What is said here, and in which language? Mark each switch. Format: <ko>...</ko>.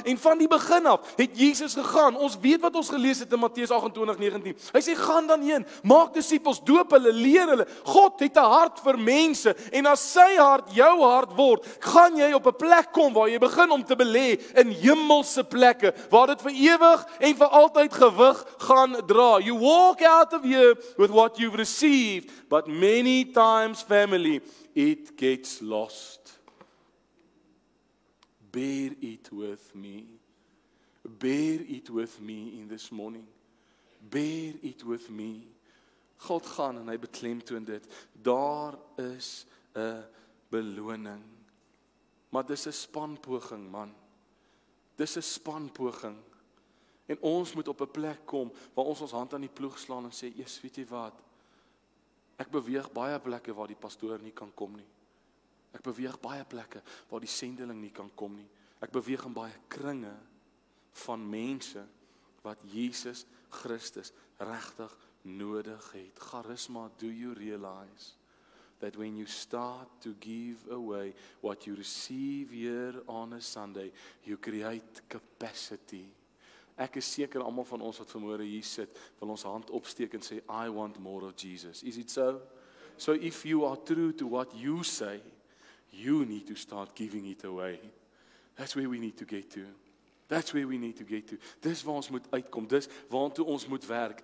<af>En van die begin af het Jesus gegaan, ons weet wat ons gelees het in Matteus 28:19. Hy sê, gaan dan heen, maak disciples, doop hulle, leer hulle. God het 'n hart vir mense, en as sy hart jou hart word, gaan jy op 'n plek kom waar jy begin om te belê, in hemelse plekke, waar dit vir ewig en vir altyd gewig gaan dra.</af> <en>You walk out of here with what you've received, but many times, family, it gets lost. Bear it with me. Bear it with me in this morning. Bear it with me.</en> <af>God gaan en hy beklemtoon dit. Daar is 'n beloning. Maar dis 'n spanpoging, man. Dis 'n spanpoging. En ons moet op 'n plek kom waar ons ons hand aan die ploeg slaan en sê, "Jesus, weet jy wat? Ek beweeg baie plekke waar die pastoor nie kan kom nie. Ek beweeg baie plekke waar die sendeling nie kan kom nie. Ek beweeg in baie kringe van mense wat Jesus Christus regtig nodig het."</af> <en>Charisma, do you realize that when you start to give away what you receive here on a Sunday, you create capacity.</en> <af>Ek is seker almal van ons wat vanmôre hier sit, wil ons hand opsteek en sê,</af> <en>I want more of Jesus. Is it so? So if you are true to what you say, you need to start giving it away. That's where we need to get to. That's where we need to get to.</en> <af>Dis waar ons moet uitkom. Dis waartoe ons moet werk.</af>